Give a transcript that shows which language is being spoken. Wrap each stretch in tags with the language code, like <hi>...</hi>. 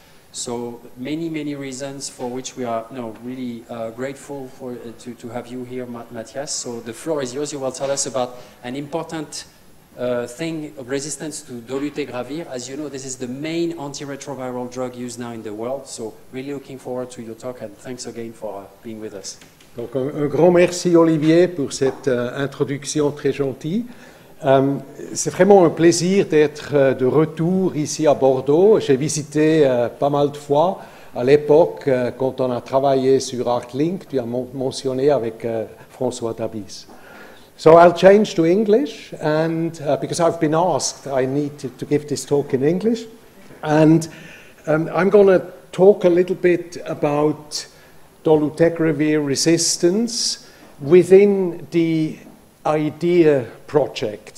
<en>So many reasons for which we are grateful for to have you here, Mathias. So the floor is yours. You will tell us about an important thing of resistance to dolutegravir. As you know, this is the main antiretroviral drug used now in the world. So really looking forward to your talk, and thanks again for being with us.</en> <fr>Donc un grand merci, Olivier, pour cette introduction très gentille. C'est vraiment un plaisir d'être de retour ici à Bordeaux. J'ai visité pas mal de fois à l'époque quand on a travaillé sur ArcLink, tu as mentionné avec François Dabis.</fr> <en>So I'll change to English, and because I've been asked, I need to give this talk in English. And I'm going to talk a little bit about dolutegravir resistance within the IDEA project.</en>